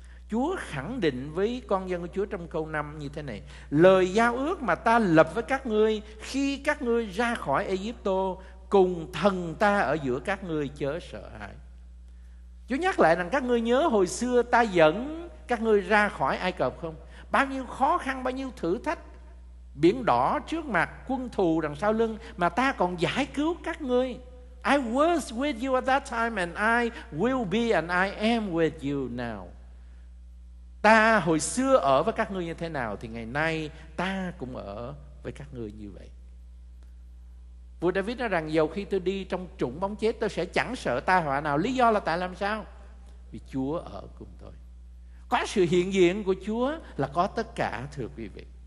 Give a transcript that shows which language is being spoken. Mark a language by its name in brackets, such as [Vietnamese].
[Vietnamese] Chúa khẳng định với con dân của Chúa trong câu 5 như thế này: lời giao ước mà ta lập với các ngươi khi các ngươi ra khỏi Ai Cập cùng thần ta ở giữa các ngươi chớ sợ hãi. Chúa nhắc lại rằng các ngươi nhớ hồi xưa ta dẫn các ngươi ra khỏi Ai Cập không? Bao nhiêu khó khăn, bao nhiêu thử thách, biển đỏ trước mặt, quân thù đằng sau lưng, mà ta còn giải cứu các ngươi. [English] I was with you at that time and I will be and I am with you now. [Vietnamese] Ta hồi xưa ở với các ngươi như thế nào thì ngày nay ta cũng ở với các ngươi như vậy. Vua David nói rằng dầu khi tôi đi trong trũng bóng chết, tôi sẽ chẳng sợ tai họa nào. Lý do là tại làm sao? Vì Chúa ở cùng tôi. Có sự hiện diện của Chúa là có tất cả, thưa quý vị.